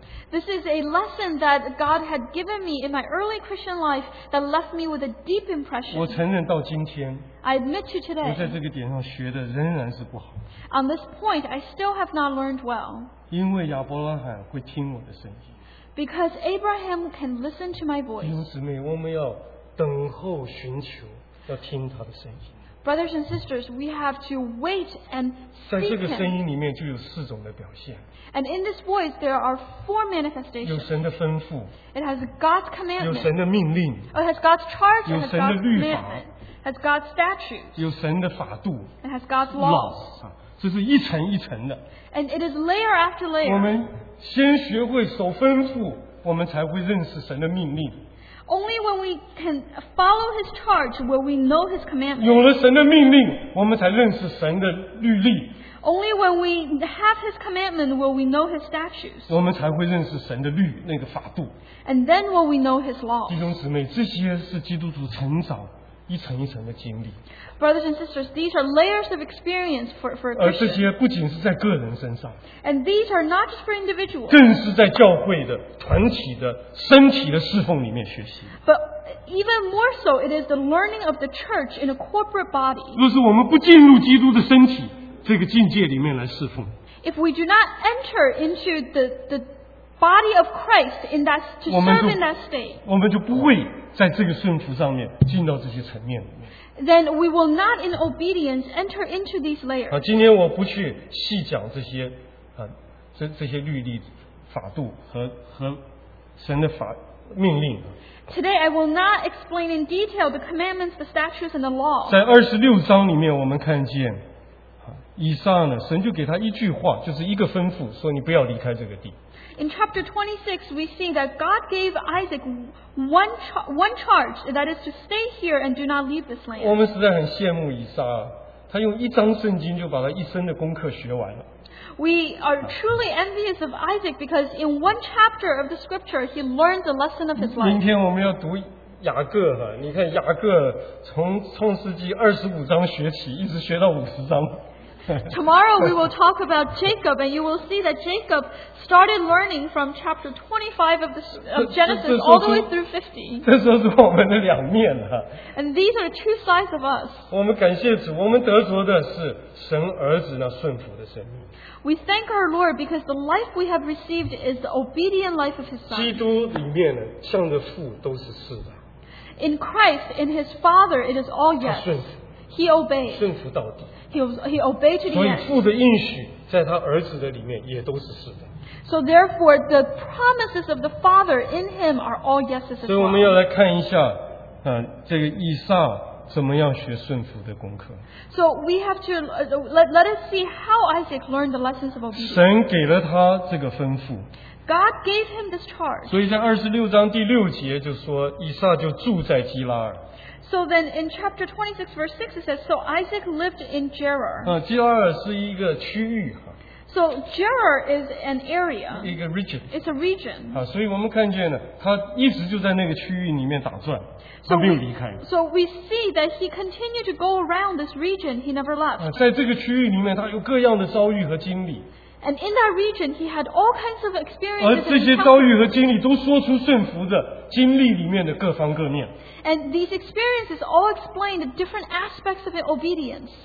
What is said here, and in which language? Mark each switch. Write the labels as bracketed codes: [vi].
[en] This is a lesson that God had given me in my early Christian life that left me with a deep impression. [zh] 我承认到今天, [en] I admit to today, [zh] 我在这个点上学的仍然是不好。 [en] On this point, I still have not learned well. [zh] 因为亚伯拉罕会听我的声音。 [en] Because Abraham can listen to my voice. [zh] 弟兄姊妹，我们要等候寻求，要听他的声音。 [en] Brothers and sisters, we have to wait and seek him. [zh] 在这个声音里面就有四种的表现。 [en] And in this voice, there are four manifestations. [zh] 有神的吩咐, [en] it has God's commandment. [zh] 有神的命令, [en] it has God's charge. [zh] 有神的律法, [en] it has God's statutes. [zh] 有神的法度, [en] it has God's laws. [zh] 这是一层一层的。 [en] And it is layer after layer. [zh] 我们先学会守吩咐, 我们才会认识神的命令。 [en] Only when we can follow his charge will we know his commandment. [zh] 有了神的命令, 我们才认识神的律例。 [en] Only when we have his commandment will we know his statutes. [zh] 我们才会认识神的律，那个法度。 [en] And then will we know his law. [zh] 弟兄姊妹，这些是基督徒成长一层一层的经历。 [en] Brothers and sisters, these are layers of experience for Christians. [zh] 而这些不仅是在个人身上。 [en] And these are not just for individuals. [zh] 更是在教会的团体的身体的侍奉里面学习。 [en] But even more so, it is the learning of the church in a corporate body. [zh] 若是我们不进入基督的身体这个境界里面来侍奉。 [en] If we do not enter into the body of Christ in that to serve in that state, [zh] 我们就不会在这个顺服上面进到这些层面。 [en] Then we will not in obedience enter into these layers. [zh] 好，今天我不去细讲这些啊，这些律例、法度和神的法命令。 [en] Today I will not explain in detail the commandments, the statutes, and the law. [zh] 在二十六章里面，我们看见。以上呢，神就给他一句话，就是一个吩咐，说你不要离开这个地。 [en] In chapter 26, we see that God gave Isaac one charge, that is to stay here and do not leave this land. [zh] 我们实在很羡慕以撒，他用一张圣经就把他一生的功课学完了。 [en] We are truly envious of Isaac because in one chapter of the scripture, he learned the lesson of his life. [zh] 明天我们要读雅各了，你看雅各从创世纪二十五章学起，一直学到五十章。 [en] Tomorrow we will talk about Jacob, and you will see that Jacob started learning from chapter 25 of Genesis all the way through 50. [zh] 这就是我们的两面啊。 [en] And these are two sides of us. [zh] 我们感谢主，我们得着的是神儿子那顺服的生命。 [en] We thank our Lord because the life we have received is the obedient life of His Son. [zh] 基督里面呢，向着父都是是的。 [en] In Christ, in His Father, it is all yes. [zh] 他顺服。 [en] He obeyed. [zh] 顺服到底。 [en] He obeyed to the end. [zh] 所以父的应许在他儿子的里面也都是是的。 [en] So therefore, the promises of the Father in him are all yeses as well. [zh] 所以我们要来看一下，这个以撒怎么样学顺服的功课。 [en] So we have to let us see how Isaac learned the lessons of obedience. [zh] 神给了他这个吩咐。 [en] God gave him this charge. [zh] 所以在二十六章第六节就说，以撒就住在基拉尔。 [en] So then in chapter 26 verse 6 it says, So Isaac lived in Gerar. [zh] 基拉尔是一个区域。 [en] So Gerar is an area. [zh] 一个 region. [en] It's a region. [zh] 所以我们看见呢，他一直就在那个区域里面打转，他没有离开。 [en] So we see that he continued to go around this region, he never left. [zh] 在这个区域里面他有各样的遭遇和经历。 [en] And in that region, he had all kinds of experiences. [zh] 而这些遭遇和经历都说出顺服的经历里面的各方各面。 [en] And these experiences all explain the different aspects of obedience.